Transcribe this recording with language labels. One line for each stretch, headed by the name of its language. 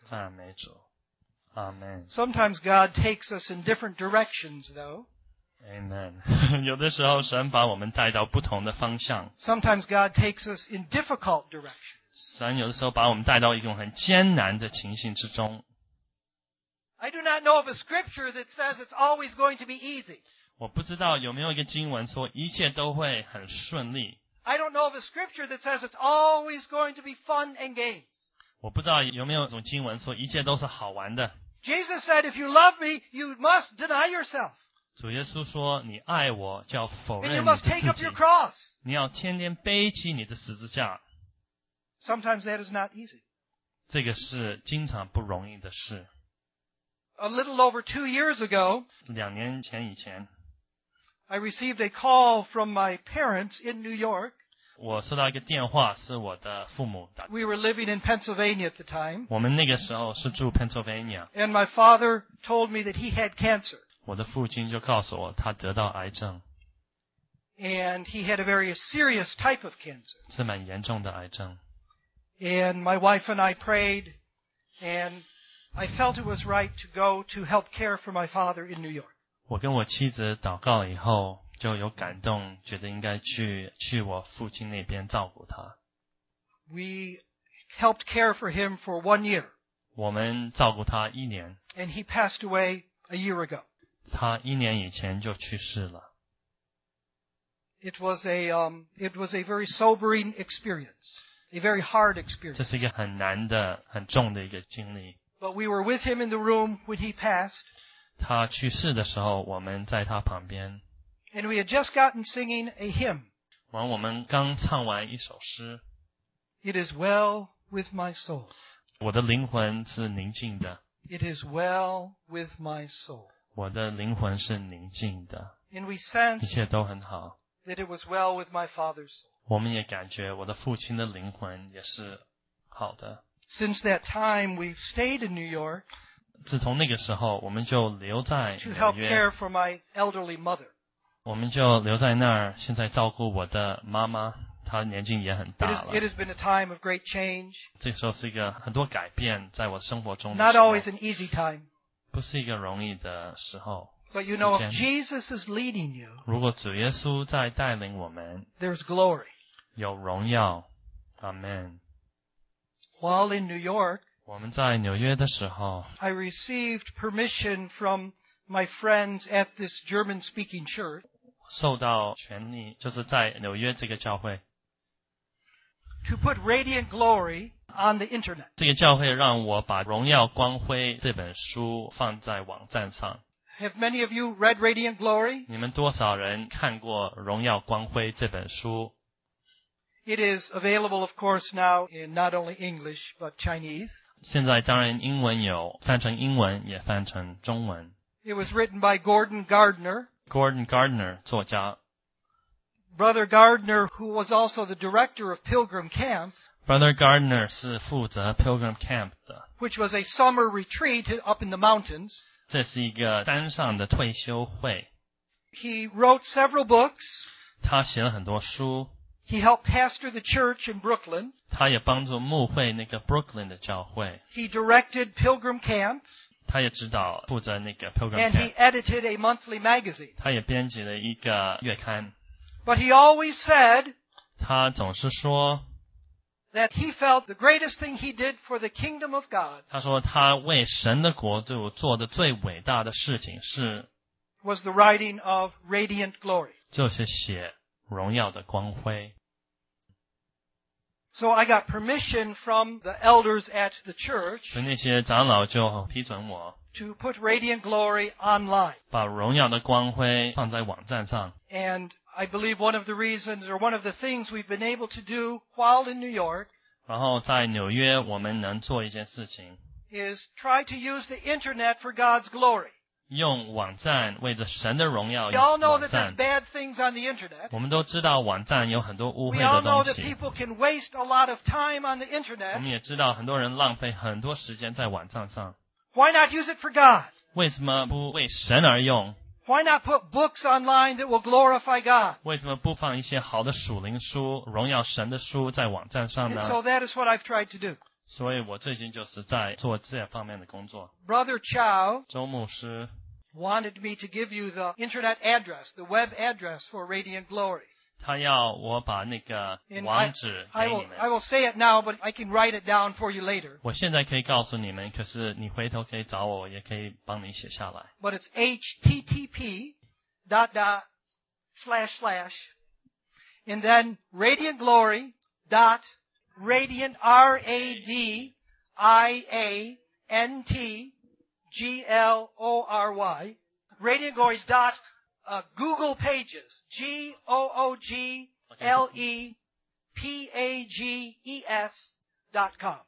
Chinese: 赞美主。Amen.
English: Sometimes God takes us in different directions, though. Amen.
Chinese: 有的时候神把我们带到不同的方向。
English: Sometimes God takes us in difficult directions.
Chinese: 神有的时候把我们带到一种很艰难的情形之中。
English: I do not know of a scripture that says it's always going to be easy.
Chinese: 我不知道有没有一个经文说一切都会很顺利。
English: I don't know of a scripture that says it's always going to be fun and games.
Chinese: 我不知道有没有一种经文说一切都是好玩的。
English: Jesus said, if you love me, you must deny yourself.
Chinese: 主耶稣说你爱我就要否认你自己。
English: And you must take up your cross.
Chinese: 你要天天背起你的十字架。
English: Sometimes that is not easy.
Chinese: 这个是经常不容易的事。
English: A little over 2 years ago,
Chinese: 两年前以前，
English: I received a call from my parents in New York.
Chinese: 我收到一个电话是我的父母打。
English: We were living in Pennsylvania at the time.
Chinese: 我们那个时候是住 Pennsylvania.
English: And my father told me that he had cancer.
Chinese: 我的父亲就告诉我他得到癌症。
English: And he had a very serious type of cancer.
Chinese: 是蛮严重的癌症。
English: And my wife and I prayed, and I felt it was right to go to help care for my father in New York.
Chinese: 我跟我妻子祷告以后就有感动，觉得应该去我父亲那边照顾他。
English: We helped care for him for 1 year.
Chinese: 我们照顾他一年。
English: And he passed away a year ago.
Chinese: 他一年以前就去世了。
English: It was a very sobering experience, a very hard experience.
Chinese: 这是一个很难的、很重的一个经历。
English: But we were with him in the room when he passed.
Chinese: 他去世的时候，我们在他旁边。
English: And we had just gotten singing a hymn.
Chinese: 完，我们刚唱完一首诗。
English: It is well with my soul.
Chinese: 我的灵魂是宁静的。
English: It is well with my soul.
Chinese: 我的灵魂是宁静的。
English: And we sensed
Chinese: 一切都很好。
English: That it was well with my father's soul.
Chinese: 我们也感觉我的父亲的灵魂也是好的。
English: Since that time, we've stayed in New York.
Chinese: 自从那个时候，我们就留在纽约。
English: To help care for my elderly mother.
Chinese: 我们就留在那儿，现在照顾我的妈妈，她年纪也很大了。
English: It has been a time of great change.
Chinese: 这时候是一个很多改变在我生活中的时候。
English: Not always an easy time.
Chinese: 不是一个容易的时候。
English: But you know, if Jesus is leading you,
Chinese: 如果主耶稣在带领我们，
English: there's glory.
Chinese: 有荣耀。Amen.
English: While in New York,
Chinese: 我们在纽约的时候
English: I received permission from my friends at this German-speaking church
Chinese: 受到权利就是在纽约这个教会
English: to put Radiant Glory on the internet
Chinese: 这个教会让我把荣耀光辉这本书放在网站上
English: Have many of you read Radiant Glory?
Chinese: 你们多少人看过荣耀光辉这本书
English: It is available, of course, now in not only English, but Chinese.
Chinese: 现在当然英文有，翻成英文也翻成中文。
English: It was written by Gordon Gardner.
Chinese: Gordon Gardner, 作家。
English: Brother Gardner, who was also the director of Pilgrim Camp.
Chinese: Brother Gardner 是负责 Pilgrim Camp 的。
English: Which was a summer retreat up in the mountains.
Chinese: 这是一个山上的退休会。
English: He wrote several books.
Chinese: 他写了很多书。
English: He helped pastor the church in Brooklyn.
Chinese: 他也帮助牧会那个 Brooklyn 的教会。
English: He directed Pilgrim Camp.
Chinese: 他也指导负责那个 Pilgrim Camp.
English: And he edited a monthly magazine.
Chinese: 他也编辑了一个月刊。
English: But he always said.
Chinese: 他总是说。
English: That he felt the greatest thing he did for the kingdom of God.
Chinese: 他说他为神的国度做的最伟大的事情是。
English: Was the writing of Radiant Glory.
Chinese: 就是写。荣耀的光辉。
English: So I got permission from the elders at the church.
Chinese: 所以那些长老就批准我。
English: To put Radiant Glory online.
Chinese: 把荣耀的光辉放在网站上。
English: And I believe one of the reasons or one of the things we've been able to do while in New York.
Chinese: 然后在纽约我们能做一件事情。
English: Is try to use the internet for God's glory.
Chinese: 用网站为着神的荣耀。
English: We all know that there's bad things on the internet.
Chinese: 我们都知道网站有很多污秽的东西。
English: We all know that people can waste a lot of time on the internet.
Chinese: 我们也知道很多人浪费很多时间在网站上。
English: Why not use it for God?
Chinese: 为什么不为神而用？
English: Why not put books online that will glorify God?
Chinese: 为什么不放一些好的属灵书、荣耀神的书在网站上呢？
English: And so that is what I've tried to do.
Chinese: 所以我最近就是在做这方面的工作。
English: Brother Chow,
Chinese: 周牧师
English: wanted me to give you the internet address, the web address for Radiant Glory.
Chinese: 他要我把那个网址给你们。
English: I will say it now, but I can write it down for you later.
Chinese: 我现在可以告诉你们，可是你回头可以找我，也可以帮你写下来。
English: But it's http://, and then Radiant Glory. Radiant, RadiantGlory, Radiant Glory dot Google Pages, GooglePages.com.